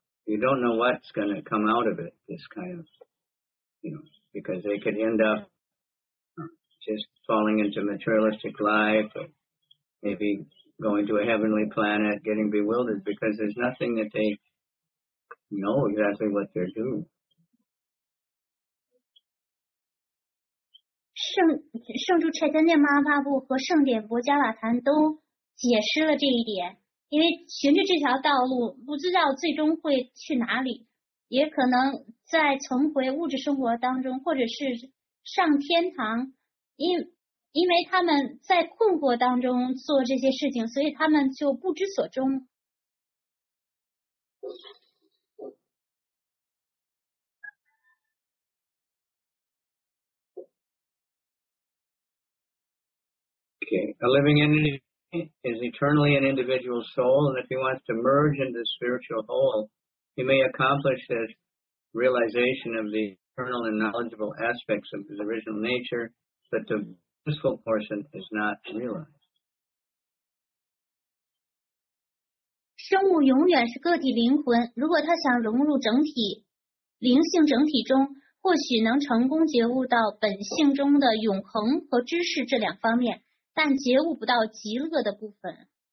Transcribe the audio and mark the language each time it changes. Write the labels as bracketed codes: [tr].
[en] You don't know what's going to come out of it, this kind of, you know, because they could end up just falling into materialistic life, or maybe going to a heavenly planet, getting bewildered, because there's nothing that they know exactly what they're doing. [zh] 圣主 Chaitanya Mahaprabhu 和圣典薄伽伐梵都解释了这一点。因为循着这条道路不知道最终会去哪里，也可能在存回物质生活当中或者是上天堂。因为他们在困惑当中做这些事情，所以他们就不知所终。 [en] Okay. A living entity is eternally an individual soul, and if he wants to merge into the spiritual whole, he may accomplish this realization of the eternal and knowledgeable aspects of his original nature, but the physical portion is not realized. [zh] 生物永远是个体灵魂，如果他想融入整体灵性整体中，或许能成功觉悟到本性中的永恒和知识这两方面，但觉悟不到极乐的部分。